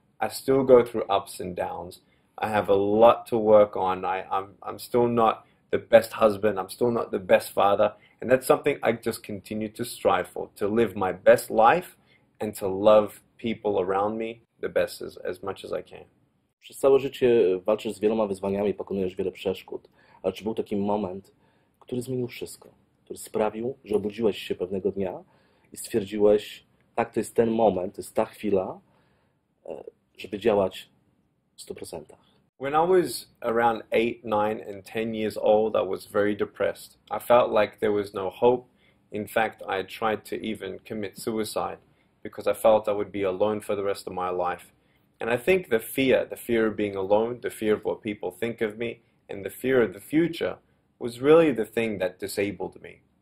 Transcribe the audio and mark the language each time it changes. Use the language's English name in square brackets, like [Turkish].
[English] I still go through ups and downs. I have a lot to work on. I'm still not the best husband. I'm still not the best father. And that's something I just continue to strive for, to live my best life. And to love people around me the best as much as I can. [Polish] Przez całe życie walczysz z wieloma wyzwaniami, pokonujesz wiele przeszkód. Ale czy był taki moment, który zmienił wszystko? Który sprawił, że obudziłeś się pewnego dnia i stwierdziłeś, tak, to jest ten moment, to jest ta chwila, żeby działać [English] 100%. When I was around 8, 9, and 10 years old, I was very depressed. I felt like there was no hope. In fact, I tried to even commit suicide because I felt I would be alone for the rest of my life. And I think the fear of being alone, the fear of what people think of me, and the fear of the future was really the thing that disabled me.